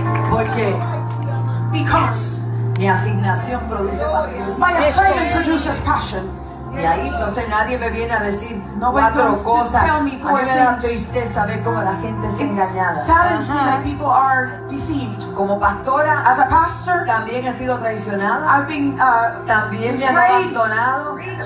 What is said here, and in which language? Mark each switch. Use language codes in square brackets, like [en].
[es] Porque mi asignación produce pasión. [en] My produces passion. [es] Y ahí entonces nadie me viene a decir cuatro cosas. A mí me da tristeza ver cómo la gente es engañada. [en] Saddens me that people are deceived. [es] Como pastora, [en] as a pastor, [es] también he sido traicionada. [en] I've been, [es] también me han abandonado.